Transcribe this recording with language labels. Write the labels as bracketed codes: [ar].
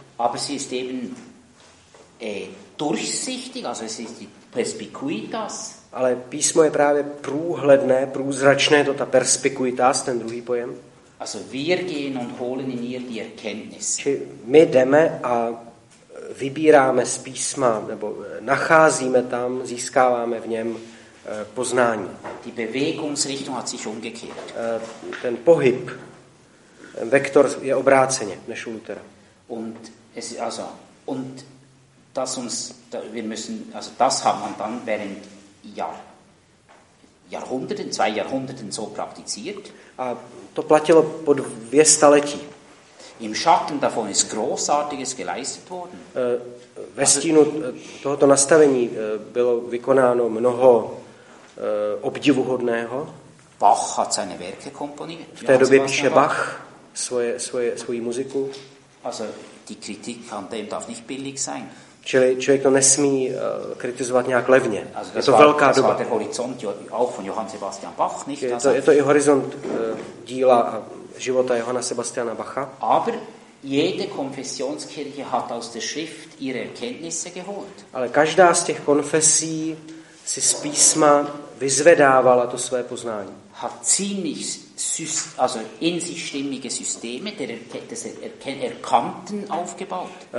[de] Aber sie ist eben durchsichtig, also sie ist perspicuitas. [cs] Ale písmo je právě průhledné, průzračné, to ta perspicuitas, ten druhý pojem. [de] Also wir gehen und holen in ihr die Erkenntnis. [cs] Či my jdeme a vybíráme z písma, nebo nacházíme tam, získáváme v něm poznání. [de] Die Bewegungsrichtung hat sich umgekehrt. [cs] Ten pohyb, vektor je obráceně než u Luthera. [de] Und es also und das uns da, wir müssen also das hat man dann während Jahrhunderten, zwei Jahrhunderten so praktiziert. [cs] A to platilo po 200 staletí. [de] Im Schatten davon ist großartiges geleistet worden. [cs] Ve stínu tohoto nastavení bylo vykonáno mnoho obdivuhodného. [de] Bach hat seine Werke komponiert. [cs] V té době píše Bach svoji muziku. [de] Also die Kritik an dem darf nicht billig sein. [cs] Čili člověk to nesmí kritizovat nějak levně. Je to velká doba. [de] Der Horizont auch von Johann Sebastian Bach, nicht? [cs] Je to i horizont díla a života Johanna Sebastiana Bacha. [de] Aber jede Konfessionskirche hat aus der Schrift ihre Erkenntnisse geholt. [cs] Ale každá z těch konfesí si z písma vyzvedávala to své poznání. [de] Hat ziemlich also in sich stimmige Systeme der erkannten aufgebaut.